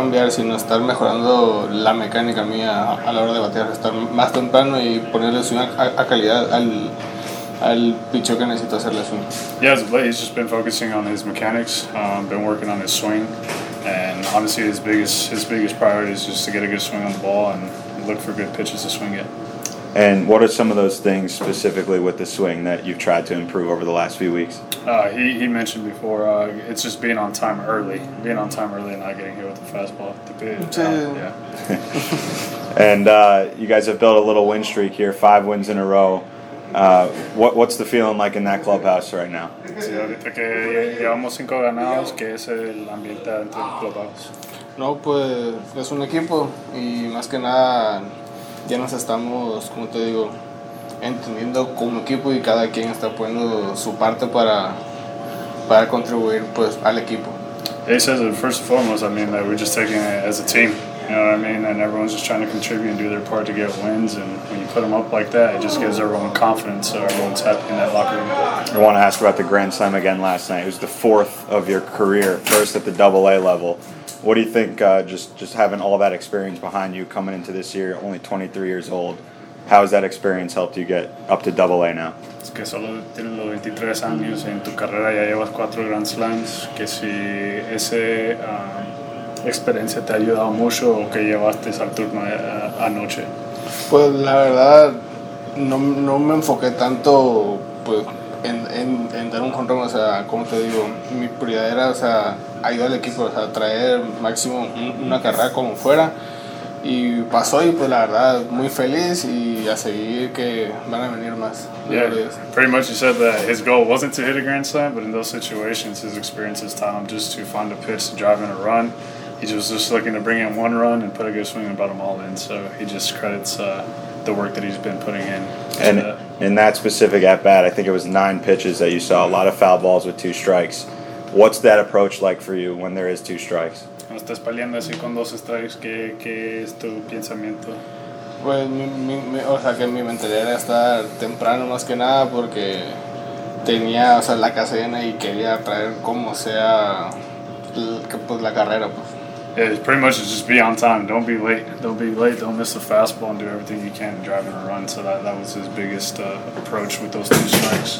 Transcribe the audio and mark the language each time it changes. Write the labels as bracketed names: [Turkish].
[Spanish] Sino estar mejorando la mecánica mía a la hora de batear, estar más temprano y ponerle swing a calidad al picho que necesito hacerle swing. [English] Yes, but he's just been focusing on his mechanics, been working on his swing, and obviously his biggest priority is just to get a good swing on the ball and look for good pitches to swing it. And what are some of those things specifically with the swing that you've tried to improve over the last few weeks? He mentioned before, it's just being on time early and not getting hit with the fastball. And you guys have built a little win streak here, 5 wins in a row. What's the feeling like in that clubhouse right now? [Spanish] Sí, ahorita que llevamos 5 ganados, que es el ambiente dentro del clubhouse. No, pues es un equipo y más que nada ya nos estamos, como te digo, entendiendo como equipo y cada quien está poniendo su parte para contribuir pues al equipo. [English] He says that first and foremost, I mean, that we're just taking it as a team, you know what I mean? And everyone's just trying to contribute and do their part to get wins, and when you put them up like that, it just gives everyone confidence, so everyone's happy in that locker room. I want to ask about the Grand Slam again last night. It was the fourth of your career, first at the AA level. What do you think, just having all that experience behind you coming into this year, only 23 years old, how has that experience helped you get up to AA now? [Spanish] Es que solo tienes los 23 años y en tu carrera ya llevas 4 Grand Slams. Que si esa experiencia te ha ayudado mucho o que llevaste al turno anoche. Pues la verdad, no me enfoqué tanto pues en dar un control, o sea, como te digo, mi prioridad era, o sea, ayudar al equipo, o sea, traer máximo una carrera como fuera, y pasó, y pues la verdad, muy feliz, y a seguir que van a venir más. [English] Yeah, pretty much you said that his goal wasn't to hit a grand slam, but in those situations, his experience has taught him just to find a pitch to drive in a run. He was just looking to bring in one run and put a good swing and brought them all in, so he just credits the work that he's been putting in. And in that specific at-bat, I think it was 9 pitches that you saw, a lot of foul balls with 2 strikes. What's that approach like for you when there is 2 strikes? [Spanish] Estás peleando así con 2 strikes, ¿qué es tu pensamiento? Pues, o sea, que mi mentalidad era estar temprano más que nada porque tenía, o sea, la casa llena y quería traer como sea pues la carrera, pues. [English] Yeah, it's pretty much just be on time. Don't be late. Don't be late. Don't miss the fastball and do everything you can to drive in a run. So that was his biggest approach with those 2 strikes.